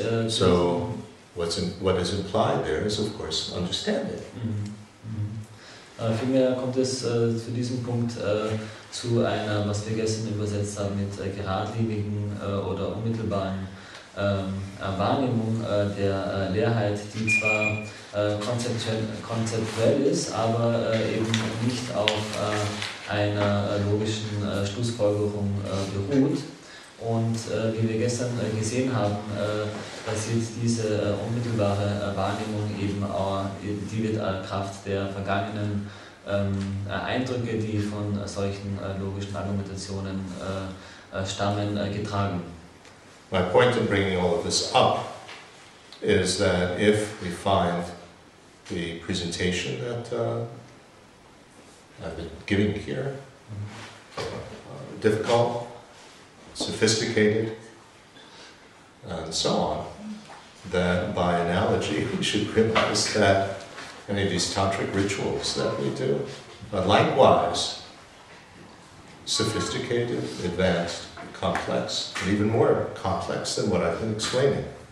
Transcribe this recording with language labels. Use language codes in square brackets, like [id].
[en] So what is implied there is, of course, understanding. [de] Vielmehr kommt es zu diesem Punkt zu einer, was wir gestern übersetzt haben, mit geradlinigen oder unmittelbaren Wahrnehmung der Leerheit, die zwar konzeptuell ist, aber eben nicht auf einer logischen Schlussfolgerung beruht. Und wie wir gestern gesehen haben, basiert diese unmittelbare Wahrnehmung eben auch, die wird Kraft der vergangenen Eindrücke, die von solchen logischen Argumentationen stammen, getragen. [en] My point in bringing all of this up is that if we find the presentation that I've been giving here difficult, sophisticated, and so on, that by analogy we should realize that any of these tantric rituals that we do are likewise sophisticated, advanced, complex, and even more complex than what I've been explaining.